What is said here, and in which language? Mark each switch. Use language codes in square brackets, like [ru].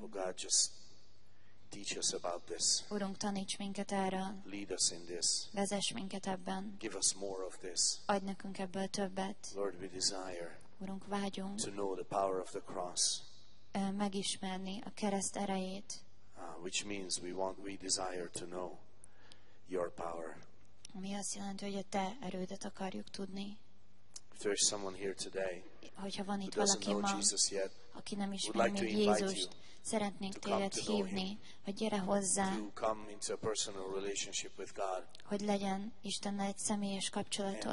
[en] Oh God, just teach us about this. [hu] Urunk, taníts minket erre. [en] Lead us in this. [hu] Vezess minket ebben. [en] Give us more of this. [hu] Adj nekünk ebből többet. [en] Lord, we desire. [hu] Urunk, vágyunk. [en] To know the power of the cross. [hu] Megismerni a kereszt erejét. [en] Which means we desire to know your power. [hu] Mi azt jelenti, hogy a te erődet akarjuk tudni. [en] If there is someone here today, [hu] hogyha van itt valaki ma, [en] yet, [hu] aki nem ismeri még Jézust, szeretnénk téged hívni, hogy gyere hozzá, [en] come into a personal relationship with God. [hu] Hogy legyen Istennel egy személyes kapcsolatod.